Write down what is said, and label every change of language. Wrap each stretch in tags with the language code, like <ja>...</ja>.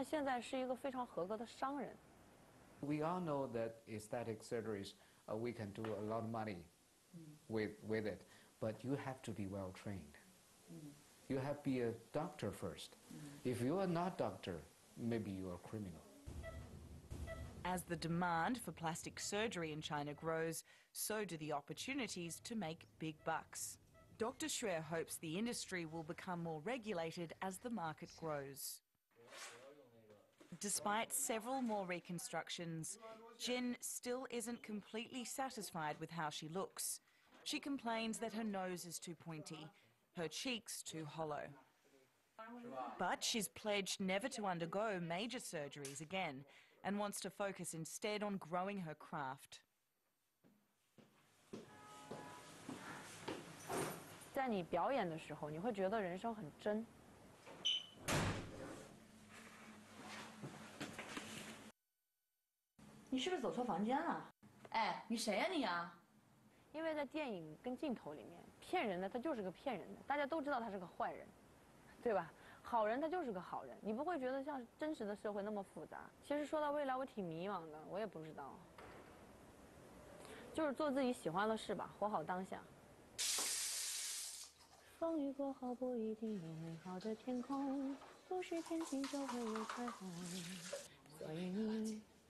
<zh>有一部分人吧，他已经失去了作为医生的本质，他们现在是一个非常合格的商人。</zh> <en>We all know that aesthetic surgeries, we can do a lot of money with it, but you have to be well trained. You have to be a doctor first. If you are not a doctor, maybe you are a criminal. As the demand for plastic surgery in China grows, so do the opportunities to make big bucks. Dr. Shui hopes the industry will become more regulated as the market grows. Despite several more reconstructions, Jin still isn't completely satisfied with how she looks. She complains that her nose is too pointy, her cheeks too hollow. But she's pledged never to undergo major surgeries again and wants to focus instead on growing her craft.</en> <zh>在你表演的时候，你会觉得人生很真。你是不是走错房间了？哎，你谁呀你啊？因为在电影跟镜头里面，骗人的他就是个骗人的，大家都知道他是个坏人，对吧？好人他就是个好人，你不会觉得像真实的社会那么复杂。其实说到未来，我挺迷茫的，我也不知道，就是做自己喜欢的事吧，活好当下。风雨过后不一定有美好的天空，不是天晴就会有彩虹，所以你。</zh>